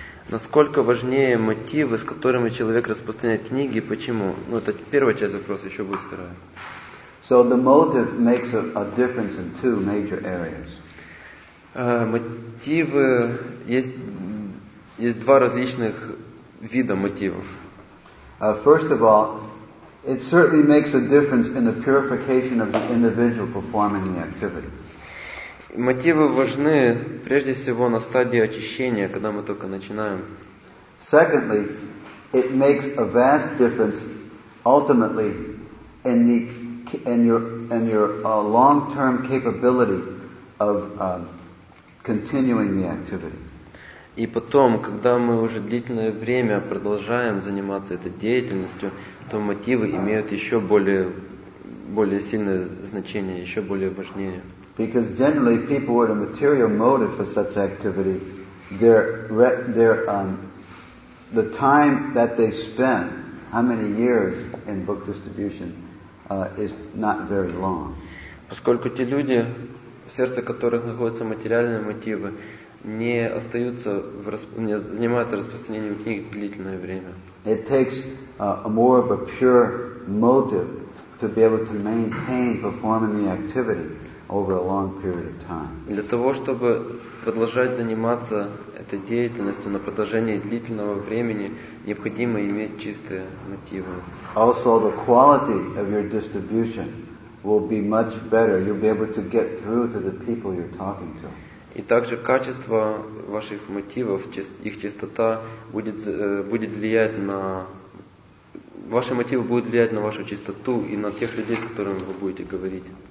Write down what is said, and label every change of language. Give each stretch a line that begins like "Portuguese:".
Russian: Насколько важнее мотивы, с которыми человек распространяет книги, и почему? Ну, это первая часть вопроса, еще будет вторая.
English: So the motive makes a difference in two major areas.
Russian: Мотивы есть два различных вида мотивов.
English: First of all, it certainly makes a difference in the purification of the individual performing the activity.
Russian: Мотивы важны прежде всего на стадии очищения, когда мы только начинаем.
English: Secondly, it makes a vast difference ultimately in your long-term capability of continuing the activity.
Russian: И потом, когда мы уже длительное время продолжаем заниматься этой деятельностью, то мотивы имеют еще более сильное значение, еще более важнее.
English: Because generally people with a material motive for such activity, the time that they spend, how many years in book distribution, is not very long.
Russian: Поскольку те люди, в сердце которых находятся материальные мотивы, не занимаются распространением книг длительное время.
English: It takes more of a pure motive to be able to maintain performing the activity over a long period of time.
Russian: Для того, чтобы продолжать заниматься этой деятельностью на протяжении длительного времени, необходимо иметь чистые мотивы.
English: Also, the quality of your distribution will be much better. You'll be able to get through to the people you're talking to.
Russian: И также качество ваших мотивов, их чистота будет влиять на ваши мотивы будут влиять на вашу чистоту и на тех людей, с которыми вы будете говорить.